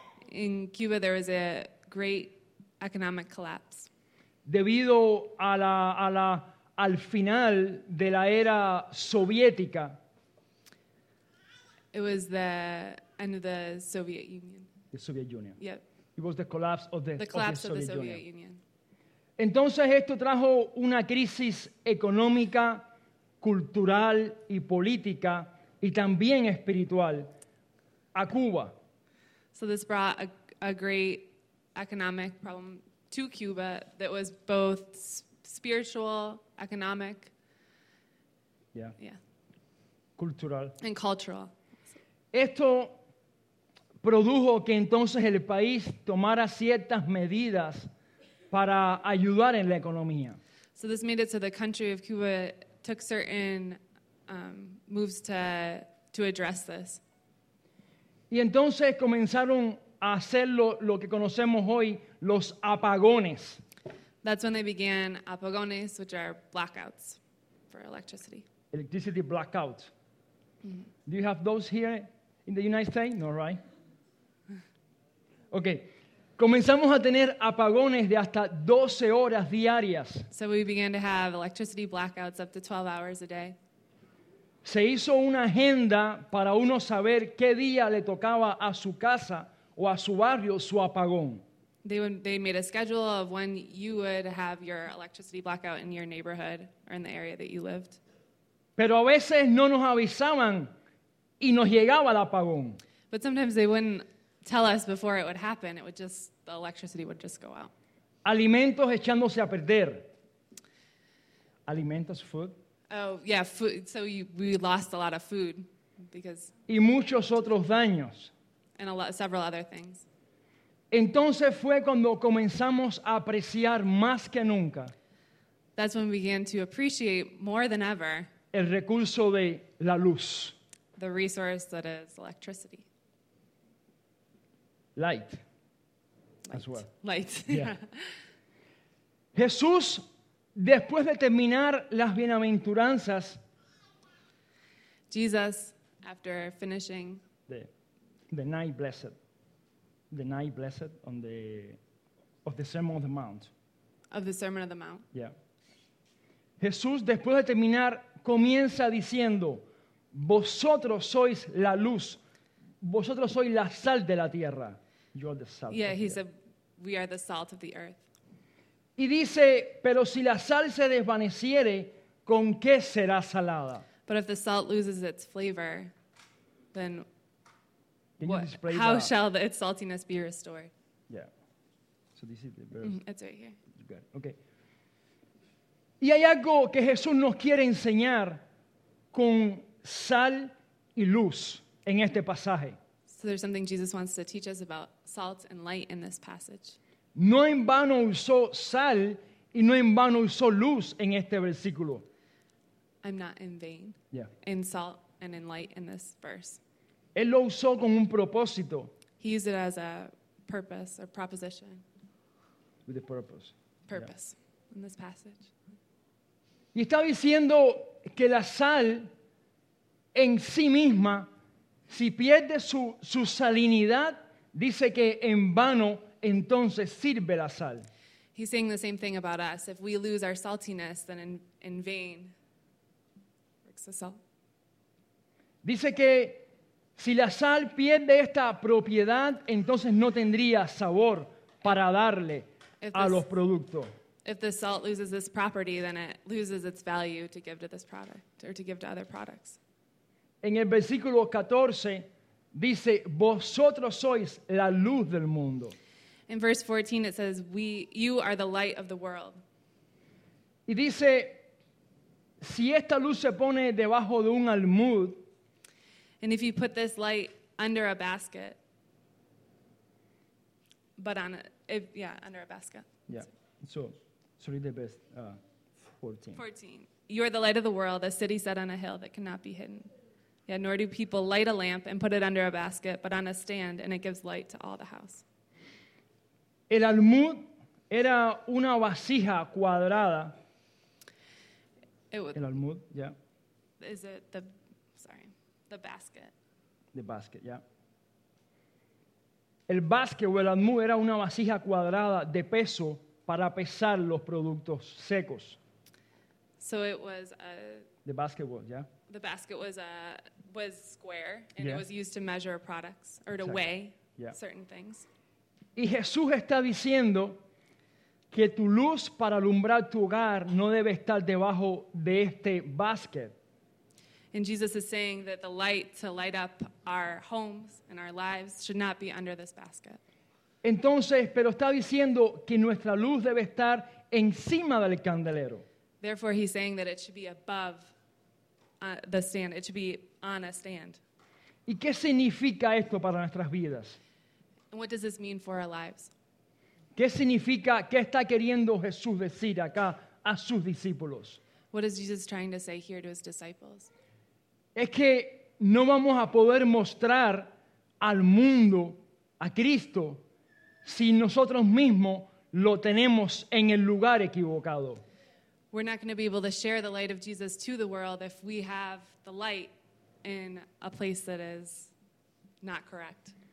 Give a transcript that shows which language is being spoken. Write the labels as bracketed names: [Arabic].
[English] In Cuba there was a great economic collapse. [Spanish] Debido al final de la era soviética. [English] It was the end of the Soviet Union. The Soviet Union. Yep. It was the collapse of the Soviet Union. [Spanish] Entonces esto trajo una crisis económica, cultural y política y también espiritual a Cuba. [English] So this brought a great economic problem to Cuba that was both spiritual, economic, cultural and cultural. [Spanish] Esto produjo que entonces el país tomara ciertas medidas para ayudar en la economía. [English] So this made it so the country of Cuba took certain moves to address this. [Spanish] Y entonces comenzaron a hacer lo que conocemos hoy, los apagones. [English] That's when they began apagones, which are blackouts for electricity. Electricity blackout. Mm-hmm. Do you have those here in the United States? No, right? Okay. [Spanish] Comenzamos a tener apagones de hasta 12 horas diarias. [English] So we began to have electricity blackouts up to 12 hours a day. [Spanish] Se hizo una agenda para uno saber qué día le tocaba a su casa o a su barrio su apagón. [English] They made a schedule of when you would have your electricity blackout in your neighborhood or in the area that you lived. [Spanish] Pero a veces no nos avisaban y nos llegaba el apagón. [English] But sometimes they wouldn't tell us before it would happen. It would just, the electricity would just go out. [Spanish] Alimentos echándose a perder. Alimentos, food. [English] Oh, yeah, food. So we lost a lot of food because. [Spanish] Y muchos otros daños. [English] And several other things. [Spanish] Entonces fue cuando comenzamos a apreciar más que nunca. [English] That's when we began to appreciate more than ever. [Spanish] El recurso de la luz. [English] The resource that is electricity. Light. As well. Light. Yeah. [Spanish] Jesús, después de terminar las bienaventuranzas. [English] Jesus, after finishing. The night blessed on the of the Sermon of the Mount. Of the Sermon of the Mount. Yeah. [Spanish] Jesús, después de terminar, comienza diciendo, vosotros sois la luz, vosotros sois la sal de la tierra. [English] You're the salt. Yeah, he said, we are the salt of the earth. [Spanish] Y dice, pero si la sal se desvaneciere, ¿con qué será salada? [English] But if the salt loses its flavor, then how shall its saltiness be restored? Yeah. So this is the verse. It's right here. You got it. Okay. [Spanish] Y hay algo que Jesús nos quiere enseñar con sal y luz en este pasaje. [English] So there's something Jesus wants to teach us about salt and light in this passage. [Spanish] No en vano usó sal y no en vano usó luz en este versículo. [English] I'm not in vain. Yeah. In salt and in light in this verse. [Spanish] Él lo usó con un propósito. [English] He used it as a purpose or proposition. With a purpose. Purpose. Yeah. In this passage. [Spanish] Y está diciendo que la sal en sí misma, si pierde su salinidad, dice que en vano entonces sirve la sal. [English] He's saying the same thing about us. If we lose our saltiness, then in vain works the salt. [Spanish] Dice que si la sal pierde esta propiedad, entonces no tendría sabor para darle a los productos. [English] If the salt loses this property, then it loses its value to give to this product or to give to other products. [Spanish] En el versículo 14 dice, "Vosotros sois la luz del mundo." [English] In verse 14 it says, "You are the light of the world." [Spanish] Y dice, "Si esta luz se pone debajo de un almud," [English] and if you put this light under a basket, under a basket. Yeah. So read the best, 14. You are the light of the world, a city set on a hill that cannot be hidden. Yeah, nor do people light a lamp and put it under a basket, but on a stand, and it gives light to all the house. [Spanish] El almud era una vasija cuadrada. El almud, yeah. [English] Is it the basket? The basket, yeah. [Spanish] El basket o el almud era una vasija cuadrada de peso para pesar los productos secos. [English] So it was a... The basket was, yeah. The basket was square, and it was used to measure products, or to weigh certain things. [Spanish] Y Jesús está diciendo que tu luz para alumbrar tu hogar no debe estar debajo de este basket. [English] And Jesus is saying that the light to light up our homes and our lives should not be under this basket. [Spanish] Entonces, pero está diciendo que nuestra luz debe estar encima del candelero. [English] Therefore, he's saying that it should be above the stand. It should be on a stand. [Spanish] ¿Y qué significa esto para nuestras vidas? [English] And what does this mean for our lives? [Spanish] ¿Qué significa, qué está queriendo Jesús decir acá a sus discípulos? [English] What is Jesus trying to say here to his disciples? [Spanish] Es que no vamos a poder mostrar al mundo a Cristo si nosotros mismos lo tenemos en el lugar equivocado. [English] We're not going to be able to share the light of Jesus to the world if we have the light in a place that is not correct.